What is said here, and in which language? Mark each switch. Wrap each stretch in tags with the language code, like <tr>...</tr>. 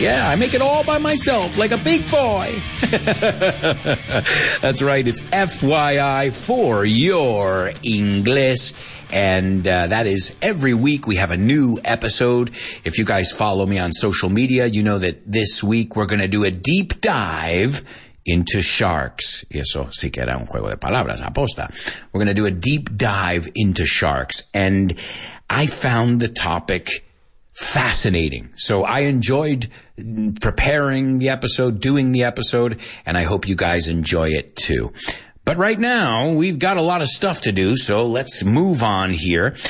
<en>Yeah, I make it all by myself, like a big boy. That's right, it's FYI for your English. And that is every week we have a new episode. If you guys follow me on social media, you know that this week we're going to do a deep dive into sharks.</en> <es>Y eso sí que era un juego de palabras, aposta.</es> <en>We're going to do a deep dive into sharks. And I found the topic fascinating. So I enjoyed preparing the episode, doing the episode, and I hope you guys enjoy it too. But right now, we've got a lot of stuff to do, so let's move on here.</en>